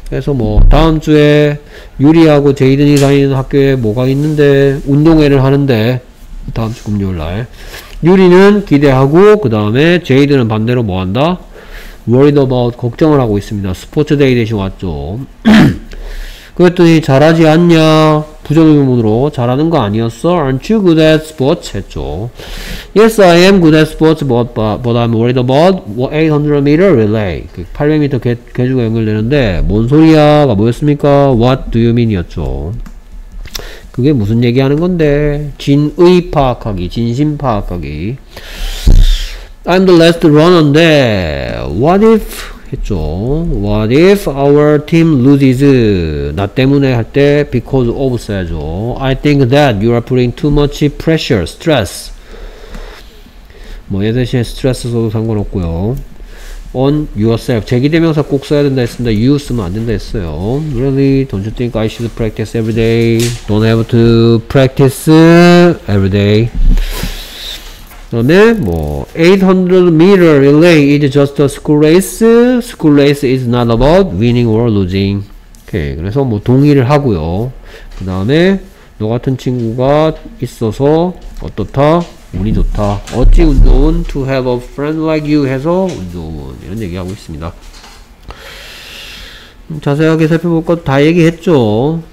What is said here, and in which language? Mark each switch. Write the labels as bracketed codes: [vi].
[ko] 그래서 뭐 다음 주에 유리하고 제이든이 다니는 학교에 뭐가 있는데 운동회를 하는데 다음 주 금요일날 유리는 기대하고 그 다음에 제이든은 반대로 뭐 한다? [en] worried about [ko] 걱정을 하고 있습니다. 스포츠 데이 대신 왔죠. 그랬더니 잘하지 않냐? 부정의문으로 잘하는 거 아니었어? [en] Aren't you good at sports? [ko] 했죠. [en] Yes, I am good at sports, but I'm worried about 800m relay. [ko] 800m 개주가 연결되는데 뭔 소리야?가 뭐였습니까? [en] What do you mean?이었죠. [ko] 그게 무슨 얘기하는 건데? 진의 파악하기, 진심 파악하기. [en] I'm the last runner인데 what if [ko] 했죠. [en] What if our team loses? [ko] 나 때문에 할 때 [en] because of [ko] 써야죠. [en] I think that you are putting too much pressure, stress. [ko] 뭐 얘 대신에 stress 써도 상관없고요. [en] On yourself. [ko] 제기대명사 꼭 써야 된다 했습니다. You 쓰면 안 된다 했어요. [en] Really? Don't you think I should practice every day? Don't have to practice every day. [ko] 그 다음에 [en] 뭐 800m relay is just a school race. School race is not about winning or losing. [ko] 오케이. 그래서 뭐 동의를 하고요. 그 다음에 너 같은 친구가 있어서 어떻다? 운이 좋다. 어찌 운 좋은? [en] To have a friend like you [ko] 해서 운 좋은. 이런 얘기하고 있습니다. 자세하게 살펴볼 것 다 얘기했죠.